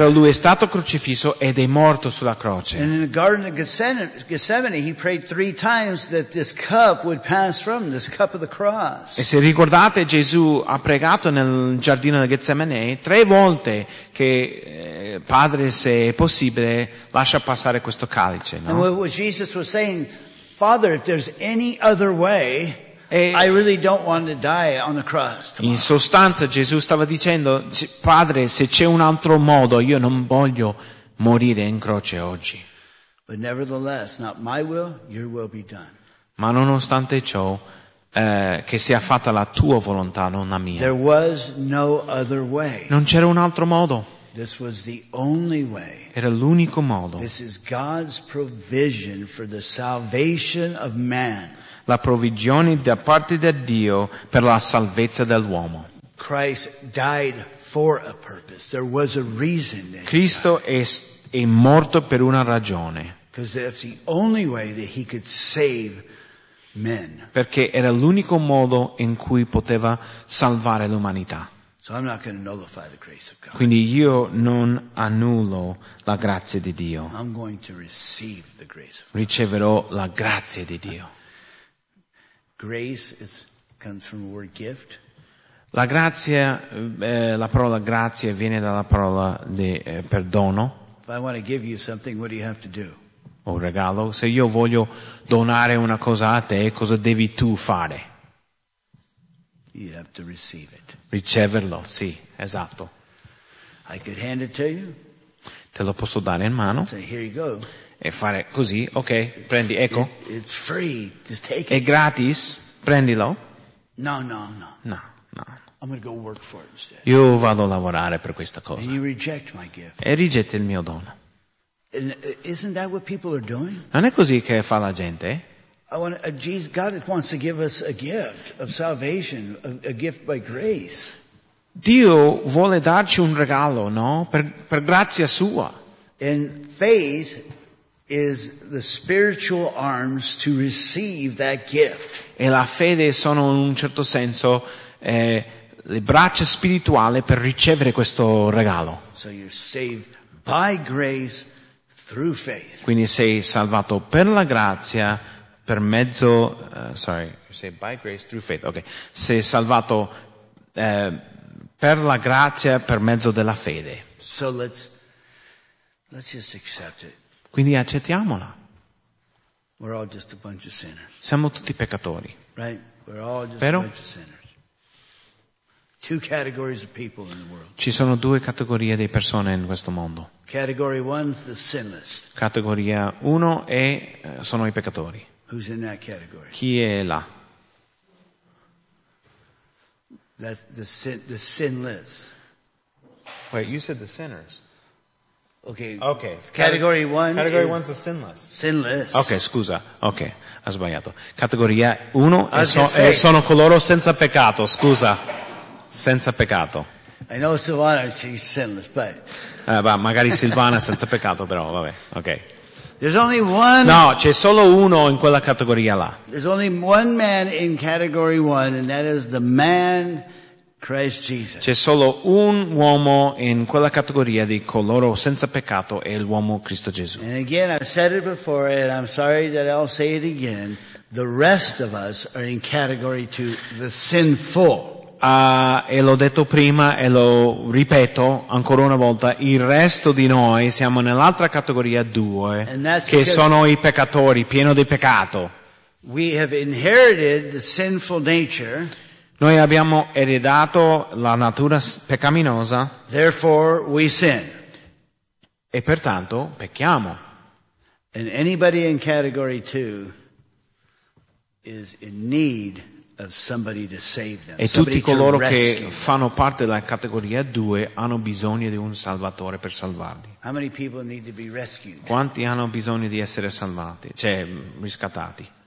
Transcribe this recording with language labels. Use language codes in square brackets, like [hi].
[it] Però lui è stato crocifisso ed è morto sulla croce. [en] And in the Garden of Gethsemane, he prayed three times that this cup would pass from this cup of the cross. [it] E se ricordate, Gesù ha pregato nel giardino del Getsemane tre volte che Padre, se è possibile, lascia passare questo calice. No? [en] And what Jesus was saying, Father, if there's any other way. I really don't want to die on the cross. Tomorrow. [it] In sostanza Gesù stava dicendo: Padre, se c'è un altro modo, io non voglio morire in croce oggi. [en] But nevertheless, not my will, your will be done. [it] Ma nonostante ciò, che sia fatta la tua volontà, non la mia. [en] There was no other way. [it] Non c'era un altro modo. [en] This was the only way. [it] Era l'unico modo. [en] This is God's provision for the salvation of man. [it] La provvigione da parte di Dio per la salvezza dell'uomo. [en] Christ died for a purpose. There was a reason. [it] Cristo è morto per una ragione. [en] Because that's the only way that he could save men. [it] Perché era l'unico modo in cui poteva salvare l'umanità. [en] So I'm not going to nullify the grace of God. [it] Quindi io non annullo la grazia di Dio. [en] I'm going to receive the grace of God. [it] Riceverò la grazia di Dio. [en] Grace comes from the word gift. [it] La grazia, la parola grazia viene dalla parola di perdono. [en] If I want to give you something, what do you have to do? [it] Un regalo. Se io voglio donare una cosa a te, cosa devi tu fare? [en] You have to receive it. [it] Riceverlo, sì, esatto. [en] I could hand it to you. [it] Te lo posso dare in mano. [en] Say, here you go. [it] E fare così, ok, [en] it's, [it] prendi, ecco. [en] It's free. Just take [it] è [en] it. [it] Gratis, prendilo. [en] No. I'm gonna go work for it instead. [it] Io vado a lavorare per questa cosa. [en] And you reject my gift. [it] E rigetti il mio dono. [en] And isn't that what people are doing? [it] Non è così che fa la gente? [en] God wants to give us a gift of salvation, a gift by grace. [it] Dio vuole darci un regalo, no? Per grazia sua. [en] And faith is the spiritual arms to receive that gift. [it] E la fede sono in un certo senso le braccia spirituali per ricevere questo regalo. [en] So you're saved by grace through faith. [it] Quindi sei salvato per la grazia. Per mezzo, [en] you say by grace through faith. [it] Okay, sei salvato per la grazia per mezzo della fede. [en] So let's just accept it. [it] Quindi accettiamola. [en] We're all just a bunch of sinners. [it] Siamo tutti peccatori. [en] Right? We're all just a bunch of sinners. Two categories of people in the world. [it] Ci sono due categorie di persone in questo mondo. [en] Category one, the sinless. [it] Categoria uno è sono i peccatori. [en] Who's in that category? [it] Chi è là? [en] That's the sinless. Wait, you said the sinners. Okay. Category one. Category one's the sinless. Sinless. [it] Okay, scusa. Okay, ha sbagliato. Categoria uno e sono coloro senza peccato. Scusa, senza peccato. [en] I know Silvana, she's sinless, but. [it] Ma magari Silvana senza peccato, però vabbè. Okay. [en] There's only one. [it] No, c'è solo uno in quella categoria là. [en] There's only one man in category one, and that is the man Christ Jesus. [it] C'è solo un uomo in quella categoria di coloro senza peccato, è l'uomo Cristo Gesù. [en] And again, I've said it before, and I'm sorry that I'll say it again. The rest of us are in category two, the sinful. [it] E l'ho detto prima e lo ripeto ancora una volta, il resto di noi siamo nell'altra categoria due, che sono i peccatori, pieno di peccato. [en] We have inherited the sinful nature. [it] Noi abbiamo ereditato la natura peccaminosa. [en] Therefore we sin. [it] E pertanto pecchiamo. [en] And anybody in category two is in need somebody to save them. [it] E tutti coloro che fanno parte della categoria 2 hanno bisogno di un salvatore per salvarli. [en] How many people need to be rescued? [it] Quanti hanno bisogno di essere salvati, cioè riscattati?